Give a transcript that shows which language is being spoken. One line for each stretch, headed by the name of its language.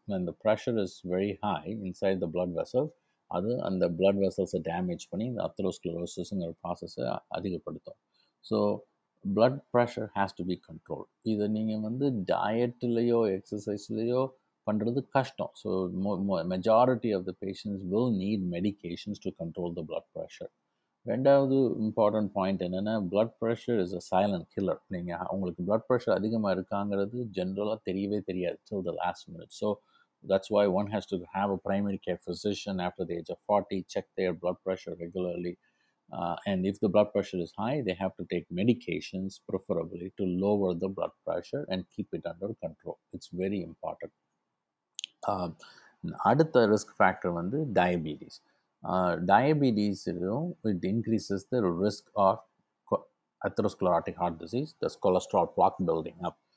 English: When the pressure is very high inside the blood vessels, and the blood vessels are damaged, the atherosclerosis in the process is
Tamil: adhigapadutho.
English: So blood pressure has to be controlled.
Tamil: இதை நீங்கள் வந்து டயட்லேயோ எக்ஸசைஸ்லேயோ பண்ணுறது கஷ்டம்.
English: So majority of the patients will need medications to control the blood pressure.
Tamil: ரெண்டாவது important point என்னென்னா,
English: Blood pressure is a silent killer.
Tamil: நீங்கள் உங்களுக்கு blood pressure அதிகமாக இருக்காங்கிறது ஜென்ரலாக தெரியவே தெரியாது
English: Till the last minute. So that's why one has to have a primary care physician after the age of 40, check their blood pressure regularly. And if the blood pressure is high, they have to take medications, preferably to lower the blood pressure and keep it under control. It's very important.
Tamil: Adutha
English: risk factor vandu diabetes. Diabetes, it increases the risk of atherosclerotic heart disease, the cholesterol plaque building up.